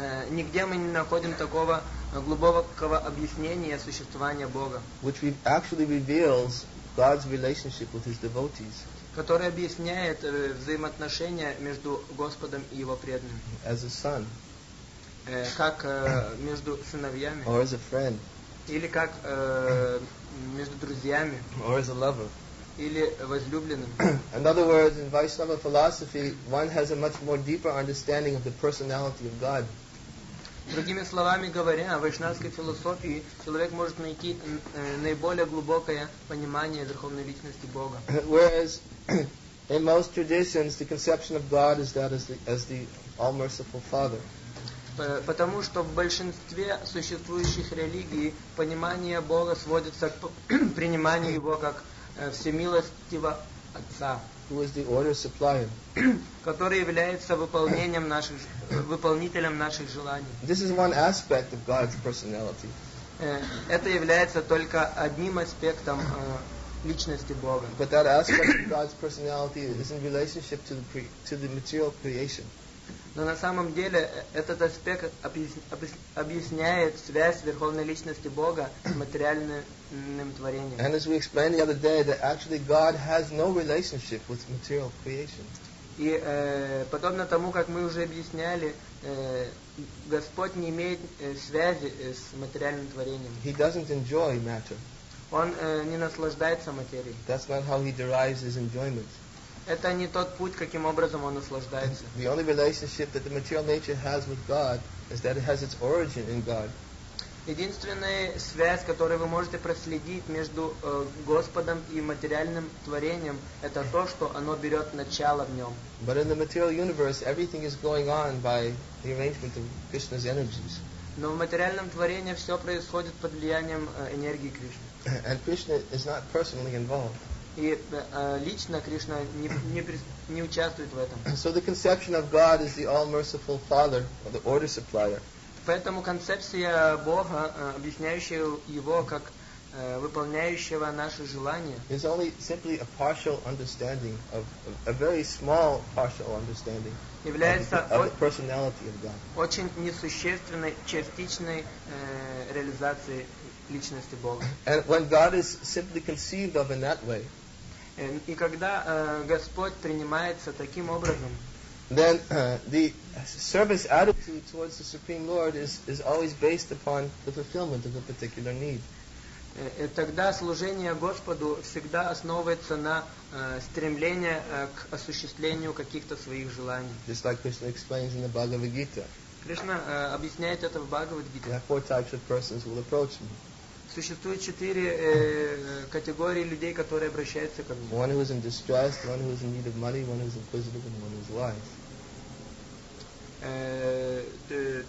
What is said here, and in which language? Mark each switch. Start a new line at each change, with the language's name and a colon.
Russian: Нигде мы не находим такого глубокого объяснения существования Бога.
English: Which actually reveals God's relationship with his devotees.
Russian: Который объясняет взаимоотношения между Господом и его преданным.
English: As a son.
Russian: Как между сыновьями.
English: Or as a friend.
Russian: Или как между друзьями.
English: Or as a lover.
Russian: Или возлюбленным.
English: In other words, in Vaishnava philosophy, one has a much more deeper understanding of the personality of God.
Russian: Другими словами говоря, в вайшнавской философии человек может найти наиболее глубокое понимание Верховной Личности Бога.
English: Whereas in most traditions the conception of God is that as the all-merciful Father.
Russian: Потому что в большинстве существующих религий понимание Бога сводится к приниманию Его как всемилостивого Отца.
English: Who is the order supplier?
Russian: Который является выполнением наших выполнителем наших желаний.
English: This is one aspect of God's personality.
Russian: Это является только одним аспектом личности Бога.
English: But that aspect of God's personality is in relationship to the material creation.
Russian: Но на самом деле этот аспект объясняет связь Верховной Личности Бога с материальным творением.
English: And as we explained the other day, that actually God has no relationship with material creation.
Russian: И подобно тому, как мы уже объясняли, Господь не имеет связи с материальным творением.
English: He doesn't enjoy matter.
Russian: Он не наслаждается материей.
English: That's not how he derives his enjoyment.
Russian: Это не тот путь, каким образом он наслаждается.
English: The only relationship that the material nature has with God is that it has its origin in God.
Russian: Единственная связь, которую вы можете проследить между Господом и материальным творением, это то, что оно берет начало в нем.
English: But in the material universe, everything is going on by the arrangement of Krishna's energies.
Russian: Но в материальном творении все происходит под влиянием энергии Кришны.
English: And Krishna is not personally involved.
Russian: И лично Кришна не участвует в этом.
English: So the conception of God is the all-merciful Father, or the order supplier.
Russian: Поэтому концепция Бога, объясняющая его как выполняющего наши желания,
English: is only simply a partial understanding of a very small partial understanding of the personality of God.
Russian: Очень несущественной частичной реализацией личности Бога.
English: And when God is simply conceived of in that way.
Russian: И когда Господь принимается таким образом,
English: then the service attitude towards the Supreme Lord is always based upon the fulfillment of a particular need.
Russian: Тогда служение Господу всегда основывается на стремлении к осуществлению каких-то своих желаний.
English: Just like Krishna explains in the Bhagavad Gita.
Russian: Кришна объясняет это в Бхагавад-гите.
English: There are four types of persons will approach me.
Russian: Существует четыре категории людей, которые обращаются ко мне.
English: One who is in distress, one who is in need of money, one who is inquisitive, and one who is wise.